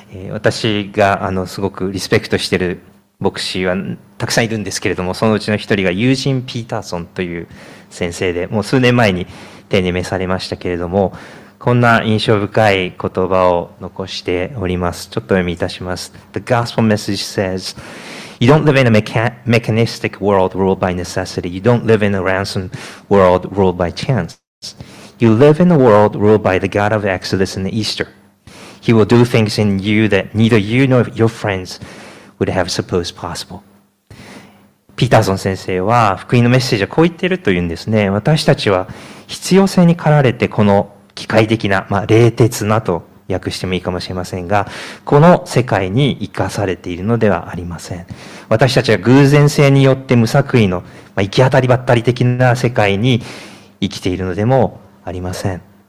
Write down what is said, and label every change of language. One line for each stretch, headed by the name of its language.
Japanese: 私が、すごくリスペクトしている牧師はたくさんいるんですけれども、そのうちの一人がユージン・ピーターソンという先生で、もう数年前に定年されましたけれども、こんな印象深い言葉を残しております。ちょっと読みいたします。
English: The gospel message says You don't live in a mechanistic world ruled by necessity. You don't live in a ransom world ruled by chance. You live in a world ruled by the God of Exodus and Easter. He will do things in you that neither you nor your friendsWould have supposed possible.
Japanese: ピーターソン先生は福音のメッセージはこう言っているというんですね。私たちは必要性に駆られて、この機械的な、まあ、冷徹なと訳してもいいかもしれませんが、この世界に生かされているのではありません。私たちは偶然性によって無作為の、まあ、行き当たりばったり的な世界に生きているのでもありません。